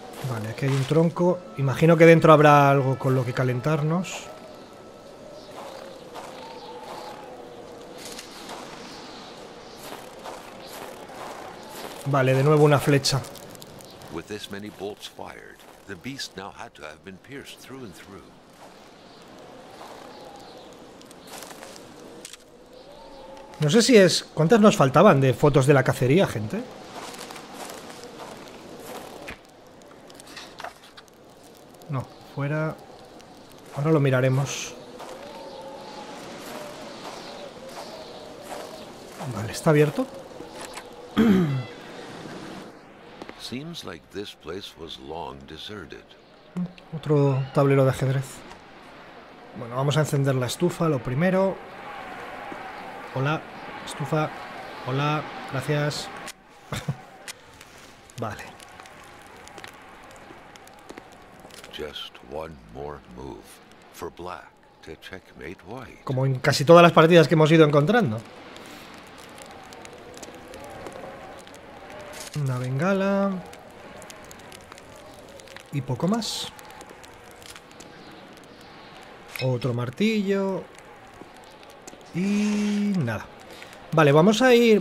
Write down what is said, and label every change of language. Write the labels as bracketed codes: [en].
[es] Vale, aquí hay un tronco. Imagino que dentro habrá algo con lo que calentarnos. Vale, de nuevo una flecha. [en] With this many bolts fired, the beast now had to have been pierced through and through. [es] No sé si es... ¿Cuántas nos faltaban de fotos de la cacería, gente? No, fuera... Ahora lo miraremos. Vale, está abierto. [en] Seems like this place was long deserted. [es] Otro tablero de ajedrez. Bueno, vamos a encender la estufa, lo primero. Hola, estufa. Hola, gracias. Vale. [en] Just one more move for Black to checkmate White. [es] Como en casi todas las partidas que hemos ido encontrando. Una bengala. Y poco más. Otro martillo. Y nada. Vale, vamos a ir...